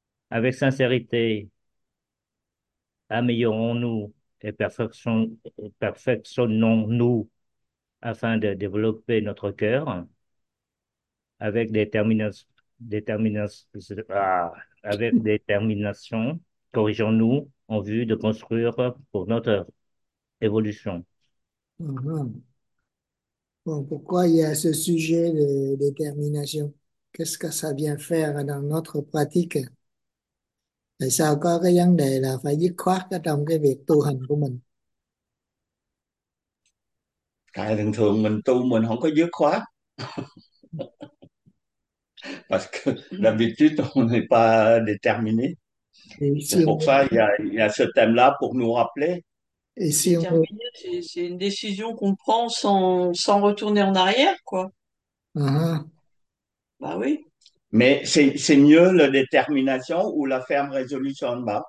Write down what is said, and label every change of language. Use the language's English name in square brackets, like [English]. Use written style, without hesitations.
[French] Avec sincérité, améliorons-nous et perfectionnons-nous afin de développer notre cœur avec détermination, corrigeons-nous en vue de construire pour notre évolution. Bon, pourquoi il y a ce sujet de détermination? Qu'est-ce que ça vient faire dans notre pratique? [Vietnamese] Tại sao có cái vấn đề là phải dứt khoát ở trong cái việc tu hành của mình? Tại thường thường mình tu mình không có dứt khoát. Làm việc trí tuệ thì [French] pas déterminé. C'est pour ça il y a ce thème-là pour nous rappeler. Et si on Déterminé, c'est une décision qu'on prend sans retourner en arrière, quoi. Bah oui. Mais c'est mieux la détermination ou la ferme résolution en bas?